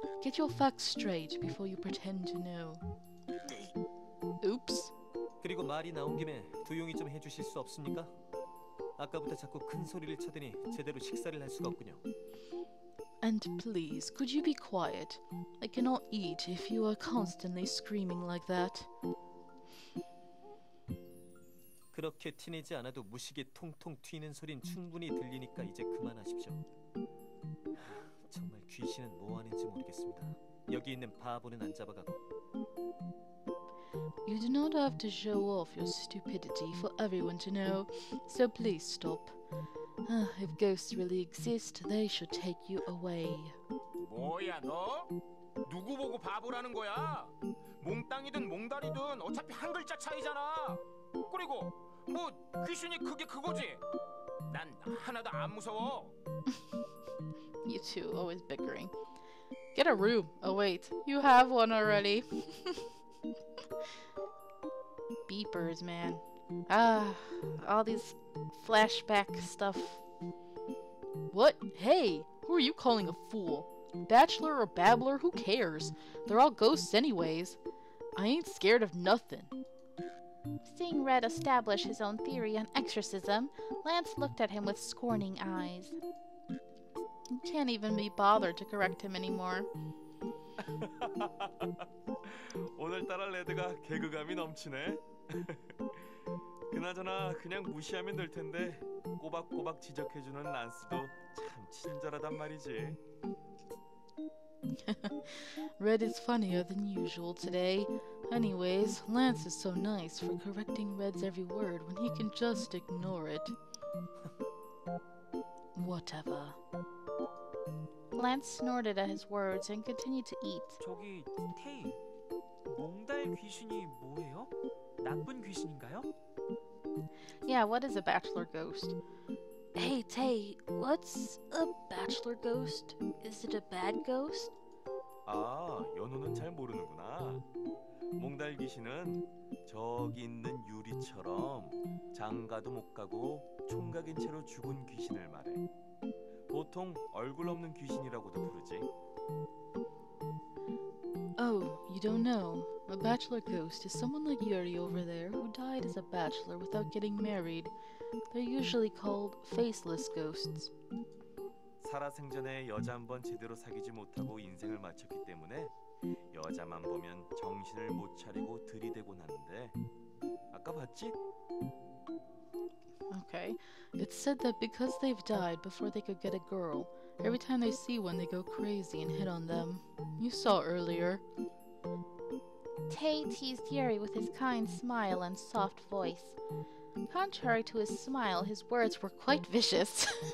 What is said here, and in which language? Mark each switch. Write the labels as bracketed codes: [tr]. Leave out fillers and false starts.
[en] Get your facts straight before you pretend to know. Oops. [ko] 그리고 말이 나온 김에 조용히 좀 해주실 수 없습니까? 아까부터 자꾸 큰 소리를 쳐대니 제대로 식사를 할 수가 없군요. [en] And please, could you be quiet? I cannot eat if you are constantly screaming like that. [ko] 그렇게 티내지 않아도 무식이 통통 튀는 소린 충분히 들리니까 이제 그만하십시오. 정말 귀신은 뭐 하는지 모르겠습니다. 여기 있는 바보는 안 잡아가고. [en] You do not have to show off your stupidity for everyone to know, so please stop. If ghosts really exist, they should take you away. [ko] 뭐야 너? 누구 보고 바보라는 거야? 몽땅이든 몽달이든 어차피 한 글자 차이잖아. 그리고 뭐 귀신이 그게 그거지? 난 하나도 안 무서워. [en] You two, always bickering. Get a room. Oh wait, you have one already. Beepers, man. Ah, all these flashback stuff. What? Hey, who are you calling a fool? Bachelor or babbler, who cares? They're all ghosts anyways. I ain't scared of nothing. Seeing Red establish his own theory on exorcism, Lance looked at him with scorning eyes. You can't even be bothered to correct him anymore. [ko] 오늘따라 레드가 개그감이 넘치네. 그나저나 그냥 무시하면 될 텐데 꼬박꼬박 지적해주는 란스도 참 친절하단 말이지. [en] Red is funnier than usual today. Anyways, Lance is so nice for correcting Red's every word when he can just ignore it. Whatever. Lance snorted at his words and continued to eat. [ko] 저기, 테이, 몽달 귀신이 뭐예요? 나쁜 귀신인가요? [en] Yeah, what is a bachelor ghost? Hey, Tay, what's a bachelor ghost? Is it a bad ghost? [ko] 아, 연우는 잘 모르는구나. 몽달 귀신은 저기 있는 유리처럼 장가도 못 가고 총각인 채로 죽은 귀신을 말해. 보통 얼굴 없는 귀신이라고도 부르지. [en] Oh, you don't know. A bachelor ghost is someone like Yuri over there who died as a bachelor without getting married. They're usually called faceless ghosts. [ko] 살아생전에 여자 한번 제대로 사귀지 못하고 인생을 마쳤기 때문에 여자만 보면 정신을 못 차리고 들이대곤 하는데 아까 봤지? [en] Okay. It's said that because they've died before they could get a girl, every time they see one, they go crazy and hit on them. You saw earlier. Tay teased Yuri with his kind smile and soft voice. Contrary to his smile, his words were quite vicious.